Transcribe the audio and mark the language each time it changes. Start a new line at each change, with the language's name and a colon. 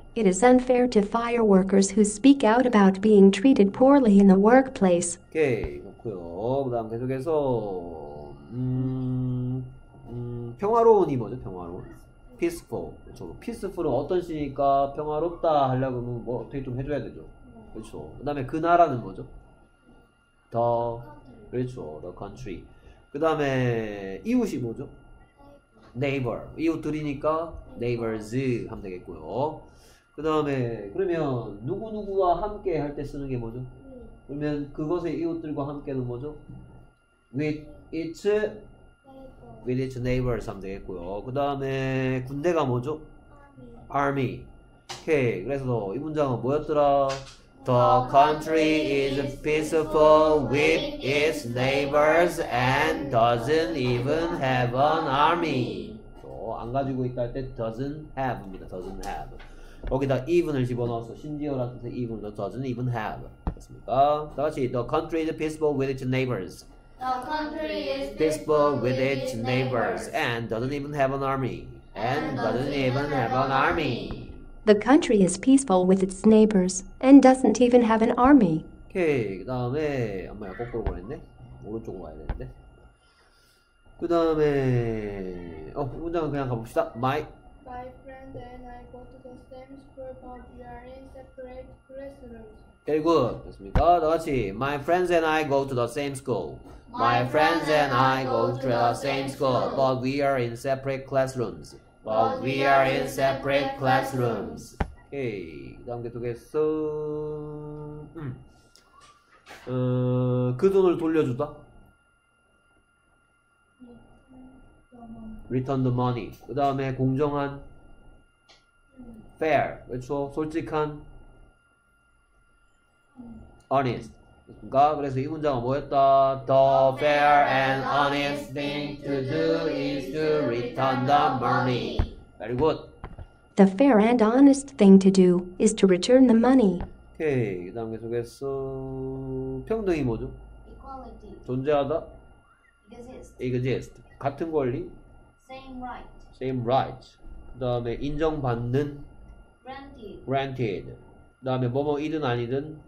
English: It is unfair to fireworkers who speak out about being treated poorly in the workplace.
Korean: 오케이. 좋고요. 그 다음 계속해서 평화로운이 뭐죠? 평화로운 peaceful. 그렇죠. peaceful은 어떤 시니까 평화롭다 하려고 하면 뭐 어떻게 좀 해줘야 되죠. 그렇죠. 그 다음에 그 나라는 뭐죠? the 그렇죠. the country. 그 다음에 이웃이 뭐죠? neighbor. 이웃들이니까 neighbors 하면 되겠고요. 그 다음에 그러면 누구누구와 함께 할 때 쓰는 게 뭐죠? 그러면 그것의 이웃들과 함께는 뭐죠?
English: With its neighbors
Korean: 하면 되겠고요. 그 다음에 군대가 뭐죠?
English: Army.
Korean: 오케이. 그래서 이 문장은 뭐였더라?
English: The country is peaceful with its neighbors and doesn't even have an army.
Korean: 안 가지고 있다 할 때 doesn't have입니다. Doesn't have. 거기다 even을 집어넣어서 심지어라는 뜻의 even을 넣어서는 even have 됐습니까? 다 같이
English: The country is peaceful with its neighbors. The country is peaceful with its neighbors and doesn't even have an army. The country is peaceful with its neighbors and doesn't even have an army.
Korean: Okay, 그 다음에 엄마야 거꾸로 보냈네. 오른쪽으로 와야 되는데. 그 다음에 문장은 그냥 가봅시다.
English: My friend and I go to the same school, but we are in separate classrooms. Very good.
Korean: 됐습니까? 다 같이
English: My friends and I go to the same school. My friends and I go to the same school, but we are in separate classrooms. But we are in separate classrooms.
Korean: Okay, 다음 계속했어. 그 돈을 돌려주다.
English: Return the money.
Korean: 그 다음에 공정한. Fair. 그렇죠? 솔직한.
English: Honest.
Korean: 그니까 그래서 이 문장은 뭐였다?
English: The fair and honest thing to do is to return the money. Very good. The fair and honest thing to do is to return the money. Okay.
Korean: 그다음 계속해서 평등이 뭐죠?
English: Equality.
Korean: 존재하다.
English: Exist. Exist.
Korean: 같은 권리.
English: Same right. Same right.
Korean: 그다음에 인정받는.
English: Granted. Granted.
Korean: 그다음에 뭐뭐 이든 아니든.